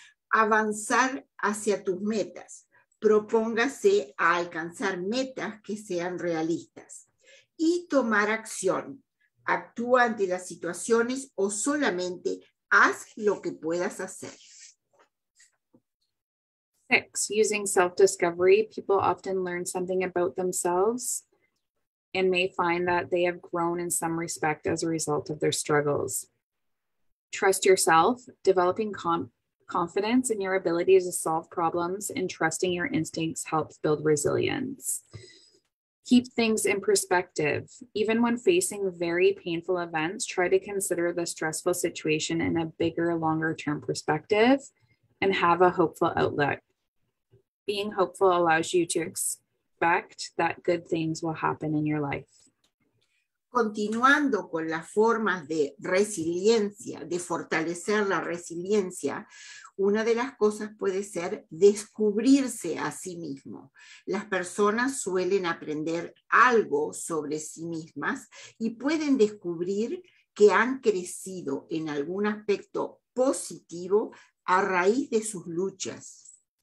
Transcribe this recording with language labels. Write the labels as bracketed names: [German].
[Spanish] Avanzar hacia tus metas. Propóngase a alcanzar metas que sean realistas. Y tomar acción. Actúa ante las situaciones o solamente haz lo que puedas hacer. 6. [English] Using self-discovery, people often learn something about themselves and may find that they have grown in some respect as a result of their struggles. Trust yourself, developing confidence in your ability to solve problems and trusting your instincts helps build resilience. Keep things in perspective. Even when facing very painful events, try to consider the stressful situation in a bigger, longer-term perspective and have a hopeful outlook. Being hopeful allows you to expect that good things will happen in your life. [Spanish] Continuando con las formas de resiliencia, de fortalecer la resiliencia, una de las cosas puede ser descubrirse a sí mismo. Las personas suelen aprender algo sobre sí mismas y pueden descubrir que han crecido en algún aspecto positivo a raíz de sus luchas.